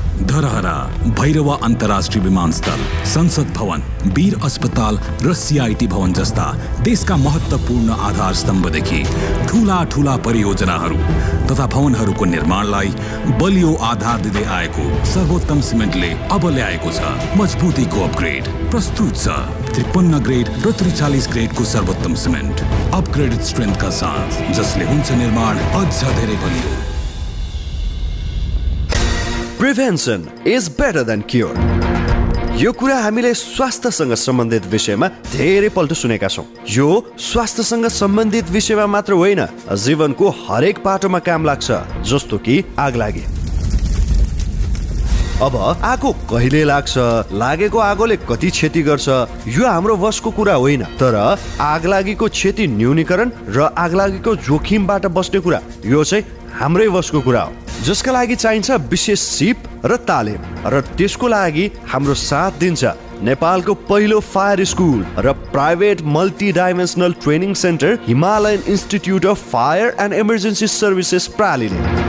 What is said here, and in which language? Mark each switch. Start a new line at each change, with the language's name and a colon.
Nepali: धरहरा भैरवा अन्तर्राष्ट्रिय विमानस्थल, संसद भवन, वीर अस्पताल र सीआईटी भवन जस्ता देशका महत्त्वपूर्ण आधार स्तम्भदेखि ठूला ठूला परियोजनाहरू तथा भवनहरूको निर्माणलाई बलियो आधार दिँदै आएको सर्वोत्तम सिमेन्टले अब ल्याएको छ मजबुतीको अपग्रेड, प्रस्तुत छ 53 ग्रेड र 43 ग्रेड को सर्वोत्तम सिमेन्ट अपग्रेडेड स्ट्रेंथ का साथ जसले हुन्छ निर्माण अझ धेरै बलियो।
English: Prevention is better than cure.
Nepali: यो कुरा हामीले स्वास्थ्यसँग सम्बन्धित विषयमा धेरै पल्ट सुनेका छौँ। यो स्वास्थ्यसँग सम्बन्धित विषयमा मात्र होइन, जीवनको हरेक पाटोमा काम लाग्छ, जस्तो कि आग लागे। अब आगो कहिले लाग्छ, लागेको आगोले कति क्षति गर्छ, यो हाम्रो वशको कुरा होइन, तर आगलागीको क्षति न्यूनीकरण र आगलागीको जोखिमबाट बस्ने कुरा, यो चाहिँ हाम्रै वशको कुरा हो, जसका लागि चाहिन्छ विशेष सिप र तालिम, र त्यसको लागि हाम्रो साथ दिन्छ नेपालको पहिलो फायर स्कुल र private multi dimensional training centre Himalayan institute of fire and emergency services प्रालीले,